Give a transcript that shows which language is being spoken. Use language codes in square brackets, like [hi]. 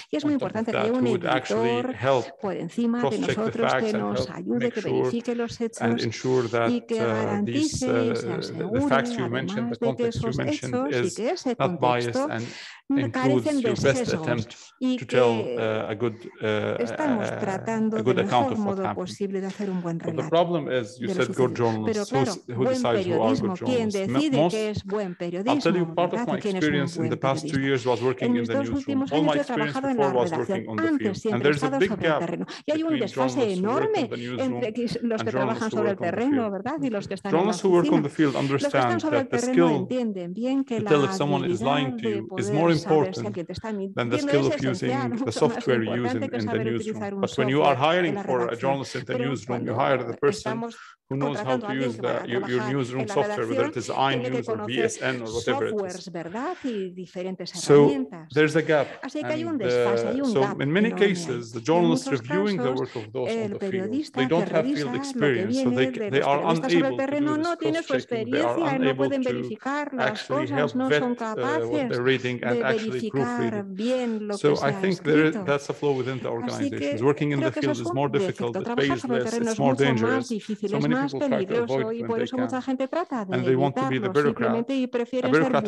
[es] Y es muy importante que haya un editor por encima de nosotros que nos ayude, que verifique los hechos y que garantice y se asegure, además de que esos hechos y que ese contexto carecen de sesgos y que estamos tratando del mejor modo posible de hacer un buen relato de lo sucedido. Pero claro, buen periodismo, ¿quién decide que es buen periodismo? [en] I'll tell you part of my experience in the past 2 years was working in the newsroom. All my experience before was working on the field. And there's a big gap between journalists who work on the [es] terreno, ¿verdad? Y los que están [en] journalists who work on the field understand [es] que [en] that the skill to tell if someone is lying to you is more important than the skill of using the software you use in the newsroom. But when you are hiring for a journalist in the newsroom, you hire the person who knows how to use the, your newsroom software, whether it is iNews or BSN or whatever it is. So there's a gap. So in many cases, the journalists reviewing the work of those on the field, they don't have field experience, so they are unable to do this cross-checking. They are unable to actually help vet what they're reading and actually proofread. So I think there is, that's a flaw within the organizations. Working in the field is more difficult, it pays less, it's more dangerous. So many [es] más peligroso y por eso mucha gente trata de evitarlo simplemente y prefieren ser burócratas.